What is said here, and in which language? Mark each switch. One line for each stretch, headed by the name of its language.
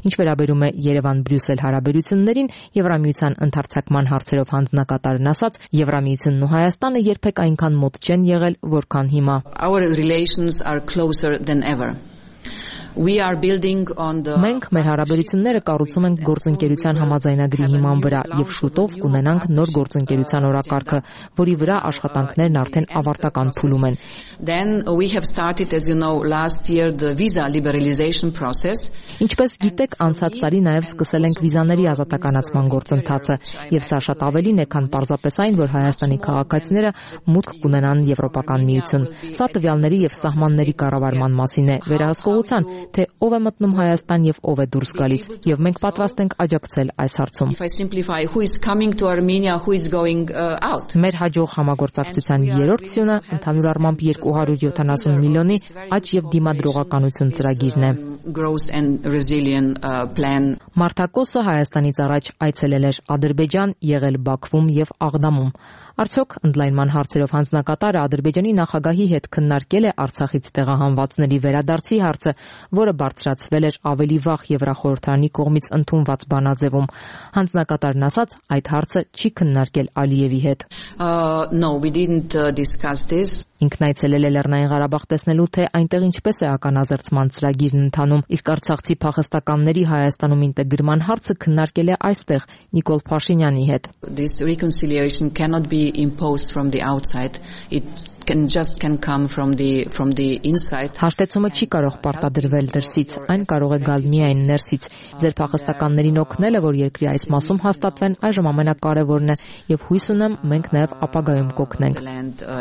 Armenian: Ինչ վերաբերում է Երևան-Բրյուսել հարաբերություններին, Եվրամիության ընդարձակման հարցերով հանձնակատարն ասաց, Եվրամիությունն ու Հայաստանը երբեք այնքան մոտ չեն եղել, որքան հիմա.
English: Our relations are closer than ever. We are building on the
Armenian: Մենք մեր հարաբերությունները կառուցում ենք գործընկերության համաձայնագրի հիման վրա եւ շուտով կունենանք նոր գործընկերության օրակարգը, որի վրա աշխատանքներն արդեն ավարտական փուլում են.
English: Then we have started as you know last year the visa liberalization process.
Armenian: Ինչպես գիտեք, անցած տարի նաեւ սկսել ենք վիզաների ազատականացման գործընթացը եւ սա շատ ավելին է, քան պարզապես այն, որ հայաստանի քաղաքացիները մուտք կունենան եվրոպական միություն։ Սա տվյալների եւ սահմանների կառավարման մասին է, վերահսկողության թե ով է մտնում Հայաստան եւ ով է դուրս գալիս, եւ մենք պատրաստ ենք աջակցել այս հարցում։
English: If I simplify, who is coming to Armenia, who is going out?
Armenian: Մեր հաջող համագործակցության երրորդ սյունը ընդհանուր առմամբ 270 միլիոնի աջ եւ դիմադրողականություն ծրագիրն է։ Մարթակոսը Հայաստանից առաջ այցելել էր Ադրբեջան, եղել Բաքվում եւ Աղդամում։ Արդյոք ընդլայնման հարցերով հանձնակատարը Ադրբեջանի նախագահի հետ քննարկել է Արցախից տեղահանվածների վերադարձի հարցը, որը բարձրացվել էր ավելի վաղ Եվրախորհրդարանի կողմից ընդունված բանաձևում։ Հանձնակատարն ասաց, այդ հարցը չի քննարկել Ալիևի հետ։
English: No, we didn't discuss this.
Armenian: Ինքն այցելել է Լեռնային Ղարաբաղ տեսնելու, թե այնտեղ ինչպես է ականազերծման ծրագիրն ընթանում, իսկ Արցախցի փախստականների Հայաստանում ինտեգրման հարցը քննարկել է այստեղ Նիկոլ Փաշինյանի հետ։
English: This reconciliation cannot be imposed from the outside. It can come from the inside.
Armenian: Հաշտեցումը չի կարող պարտադրվել դրսից, այն կարող է գալ միայն ներսից։ Ձեր փախստականներին օգնելը, որ երկրի այս մասում հաստատվեն, այժմ ամենակարևորն է, եւ հույս ունեմ, մենք նաեւ ապագայում կօգնենք։